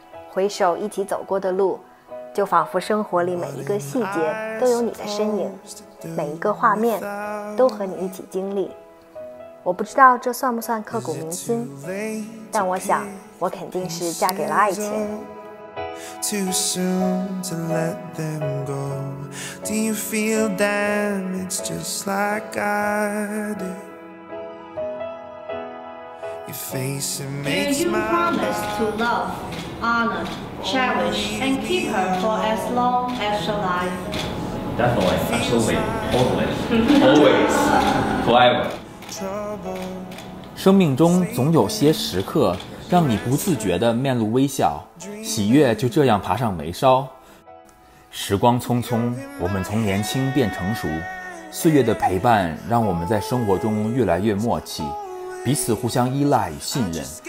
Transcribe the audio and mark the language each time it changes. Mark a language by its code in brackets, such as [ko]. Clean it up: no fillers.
[zh] 回首一起走过的路，就仿佛生活里每一个细节都有你的身影，每一个画面都和你一起经历。我不知道这算不算刻骨铭心，但我想我肯定是嫁给了爱情。 [en] Too soon to let them go. Do you feel damaged just like I do? Your face it makes my life. Do you promise to love, honor, cherish, and keep her for as long as she'll live? Definitely, absolutely, always, forever. [zh] 生命中总有些时刻让你不自觉地面露微笑，喜悦就这样爬上眉梢。时光匆匆，我们从年轻变成熟，岁月的陪伴让我们在生活中越来越默契，彼此互相依赖与信任。